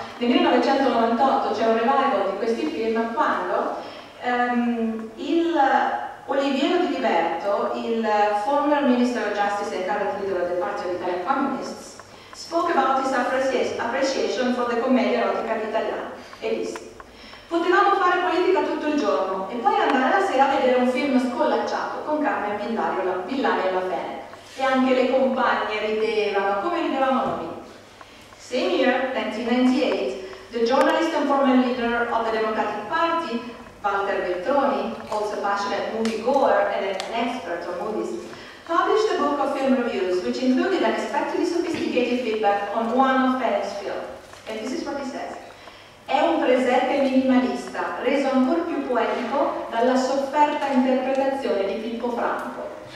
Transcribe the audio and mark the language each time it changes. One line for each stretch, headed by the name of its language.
Italian: Nel 1998 c'è un revival di questi film quando il Oliviero Di Liberto, il
English: former Minister of Justice and current leader of the Party of Italian Communists, spoke about his appreciation for the
Italian: commedia erotica italiana e disse: potevamo fare politica tutto il giorno e poi andare la sera a vedere un film scollacciato con Carmen Villari e la Fennec. E anche le compagne ridevano, come ridevamo noi.
English: Same year, 1998, the journalist and former leader of the Democratic Party, Walter Veltroni, also a passionate movie goer and an expert on movies, published a book of film reviews which included unexpectedly sophisticated feedback on one of Fennec's films. And this is what he says.
Italian: È un presepe minimalista, reso ancora più poetico dalla sofferta interpretazione di Pippo Franco.